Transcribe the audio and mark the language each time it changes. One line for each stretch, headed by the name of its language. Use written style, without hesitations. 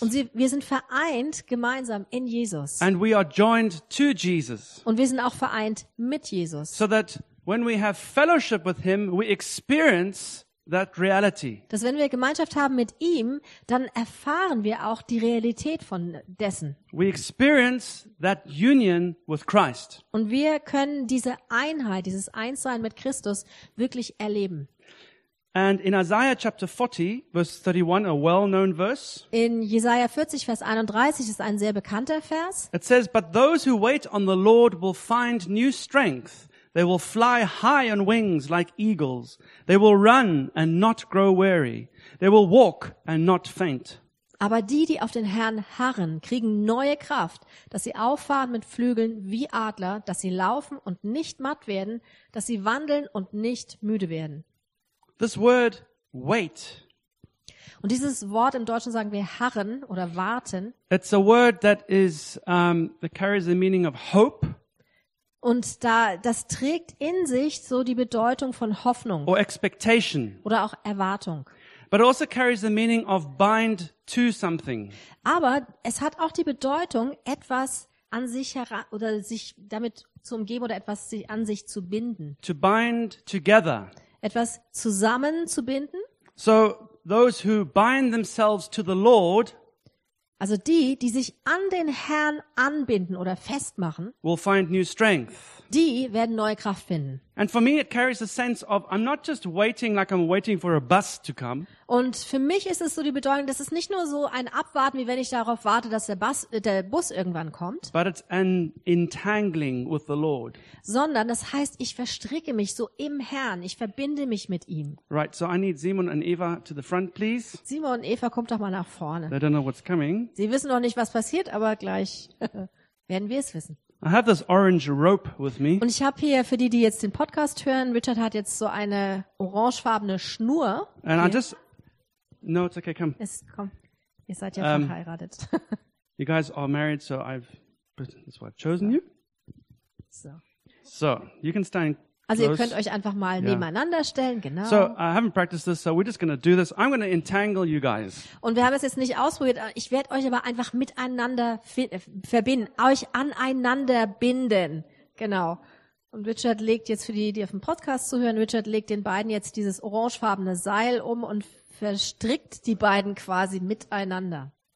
German: Und wir sind vereint gemeinsam in Jesus.
English: And we are joined to Jesus.
German: Und wir sind auch vereint mit Jesus.
English: So that when we have fellowship with him, we experience that reality.
German: Dass wenn wir Gemeinschaft haben mit ihm, dann erfahren wir auch die Realität von dessen.
English: We experience that union with Christ.
German: Und wir können diese Einheit, dieses Einssein mit Christus wirklich erleben.
English: And in Isaiah chapter 40, verse 31, a well-known verse.
German: In Jesaja 40, Vers 31 ist ein sehr bekannter Vers.
English: It says, but those who wait on the Lord will find new strength. They will fly high on wings like eagles. They will run and not grow weary. They will walk and not faint.
German: Aber die, die auf den Herrn harren, kriegen neue Kraft, dass sie auffahren mit Flügeln wie Adler, dass sie laufen und nicht matt werden, dass sie wandeln und nicht müde werden.
English: This word wait.
German: Und dieses Wort im Deutschen sagen wir harren oder warten.
English: It's a word that is that carries the meaning of hope.
German: Und das trägt in sich so die Bedeutung von Hoffnung.
English: Or expectation.
German: Oder auch Erwartung.
English: But it also carries the meaning of bind to something.
German: Aber es hat auch die Bedeutung, etwas an sich heran, oder sich damit zu umgeben oder etwas sich an sich zu binden.
English: To bind together.
German: Etwas zusammenzubinden.
English: So those who bind themselves to the Lord.
German: Also die, die sich an den Herrn anbinden oder festmachen,
English: will find new strength.
German: die werden neue Kraft finden.
English: And for me it carries a sense of I'm not just waiting like I'm waiting for a bus to come.
German: Und für mich ist es so die Bedeutung, dass es nicht nur so ein Abwarten, wie wenn ich darauf warte, dass der Bus irgendwann kommt.
English: But it's an entangling with the Lord.
German: Sondern das heißt, ich verstricke mich so im Herrn, ich verbinde mich mit ihm.
English: Right, so I need Simon and Eva to the front, please.
German: Simon und Eva, kommt doch mal nach vorne.
English: They don't know what's coming.
German: Sie wissen noch nicht, was passiert, aber gleich werden wir es wissen.
English: I have this orange rope with me.
German: Und ich habe hier für die jetzt den Podcast hören, Richard hat jetzt so eine orangefarbene Schnur.
English: And okay. I just No, it's okay, come.
German: Es komm. Ihr seid ja schon verheiratet.
English: You guys are married, so that's why I've chosen you. So. So, you can stand.
German: Also, ihr könnt euch einfach mal nebeneinander stellen, genau.
English: So, I haven't practiced this, so we're just going to do this. I'm going to entangle you guys.
German: Und wir haben es jetzt nicht ausprobiert. Ich werde euch aber einfach miteinander verbinden, euch aneinander binden. Genau. Und Richard legt jetzt für die auf dem Podcast zuhören, Richard legt den beiden jetzt dieses orangefarbene Seil um und verstrickt die beiden quasi miteinander.